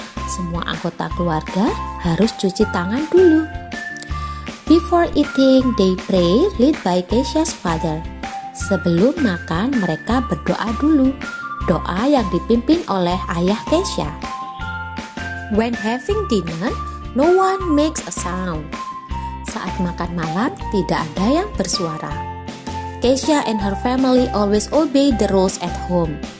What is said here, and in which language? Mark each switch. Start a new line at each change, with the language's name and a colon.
Indonesian: Semua anggota keluarga harus cuci tangan dulu.
English: Before eating, they pray, led by Keisha's father.
Indonesian: Sebelum makan, mereka berdoa dulu. Doa yang dipimpin oleh ayah Keisha.
English: When having dinner, no one makes a sound.
Indonesian: Saat makan malam, tidak ada yang bersuara.
English: Keisha and her family always obey the rules at home.